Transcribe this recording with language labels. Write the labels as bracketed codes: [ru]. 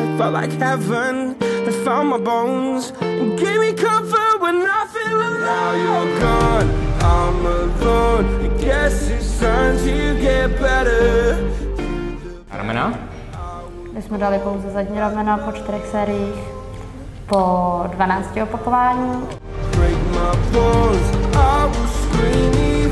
[en] Felt like heaven that found my bones. Gave me comfort when I feel alone. Now you're gone, I'm alone. I guess it's time to get better. [cs] Ramena? My jsme dali pouze zadní ramena po čtyřech sériích. Po 12 opakování. [en] Break my bones, I will scream.